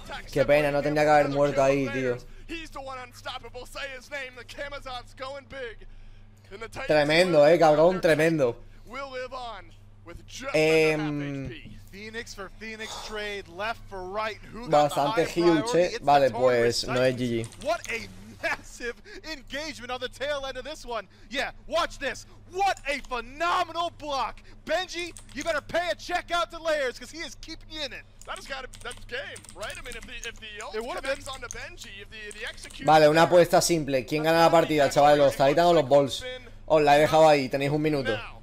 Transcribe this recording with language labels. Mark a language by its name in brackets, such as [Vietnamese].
[Spanish] Qué pena, no tendría que haber muerto ahí, tío. [English] He's the one unstoppable, say his name, the Kamazot's going big. [Spanish] Tremendo, cabrón, tremendo. [English] We'll live on with just Phoenix for Phoenix trade, left for right. Who [Spanish] bastante [English] huge, [Spanish] eh. Vale, pues, no es GG. [English] What a massive engagement on the tail end of this one. Yeah, watch this. What a phenomenal block. Benji, you better pay a check out to Layers, because he is keeping you in it. That's game, right? I mean, if the ult on the Benji, if the execution. [Spanish] Vale, una apuesta simple. ¿Quién gana la partida, chavales? ¿Los Titan o los Bolts? Os la he dejado ahí, tenéis un minuto.